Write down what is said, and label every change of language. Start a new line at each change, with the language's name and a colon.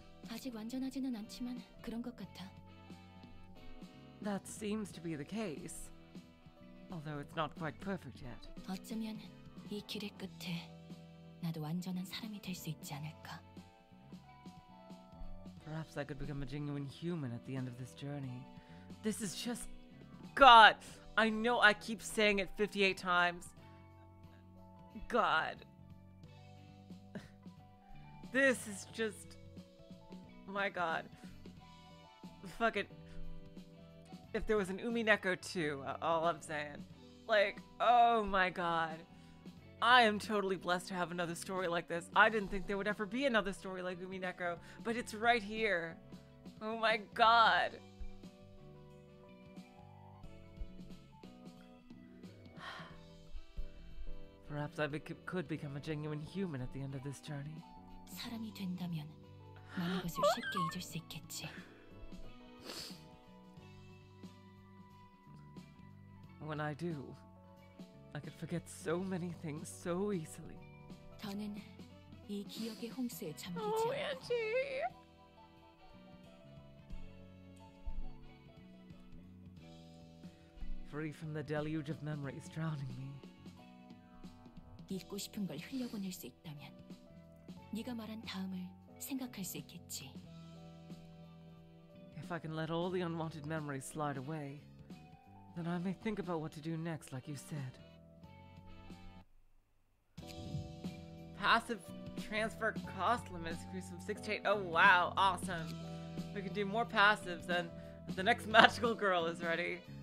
Korean: 아직 완전하지는 않지만 그런 것 같아.
English: That seems to be the case. Although it's not quite perfect yet.
Korean: 어쩌면 이 길의 끝에 나도 완전한 사람이 될 수 있지 않을까?
English: Perhaps I could become a genuine human at the end of this journey. This is just... God! I know I keep saying it 58 times. God. This is just... My God. Fuck it. If there was an Umineko too, all I'm saying. Like, oh my God. I am totally blessed to have another story like this. I didn't think there would ever be another story like Umineko, but it's right here. Oh my God. Perhaps I could become a genuine human at the end of this journey.
Korean: 사람이 된다면 많은 것을 쉽게 잊을 수 있겠지.
English: When I do, I could forget so many things so easily.
Korean: 저는 이 기억의 홍수에 잠기지.
English: Oh, Angie. Free from the deluge of memories drowning me.
Korean: 잊고 싶은 걸 흘려보낼 수 있다면 네가 말한 다음을 생각할 수 있겠지.
English: If I can let all the unwanted memories slide away, then I may think about what to do next, like you said. Passive transfer cost limits increase from 6 to 8. Oh wow, awesome. We can do more passives and the next magical girl is ready.